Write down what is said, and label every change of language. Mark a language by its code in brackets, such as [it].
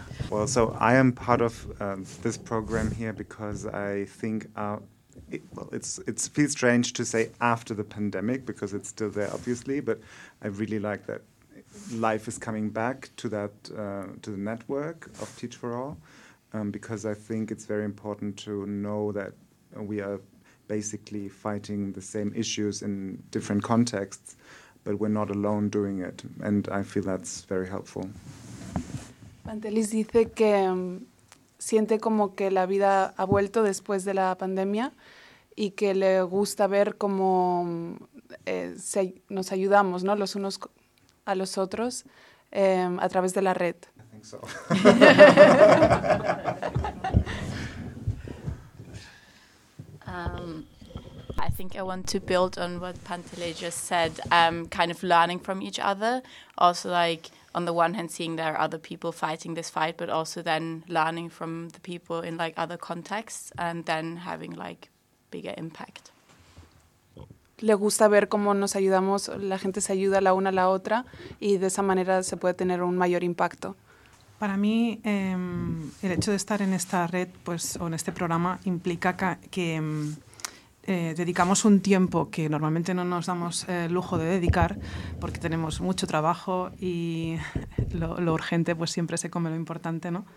[en] Well, so I am part of this program here because I think it feels strange to say after the pandemic, because it's still there, obviously, but I really like that life is coming back to that to the network of Teach for All, because I think it's very important to know that we are basically fighting the same issues in different contexts, but we're not alone doing it, and I feel that's very helpful. [es] Pantelis dice que siente como que la vida ha vuelto después de la pandemia y que le gusta ver cómo nos ayudamos, ¿no? Los unos a los otros a través de la red. [en] I think I want to build on what Pantelis just said, kind of learning from each other, also like on the one hand seeing there are other people fighting this fight, but also then learning from the people in like other contexts and then having like bigger impact. [es] Le gusta ver cómo nos ayudamos, la gente se ayuda la una a la otra y de esa manera se puede tener un mayor impacto. Para mí, el hecho de estar en esta red, pues, o en este programa, implica que dedicamos un tiempo que normalmente no nos damos el lujo de dedicar porque tenemos mucho trabajo y lo urgente pues siempre se come lo importante, ¿no?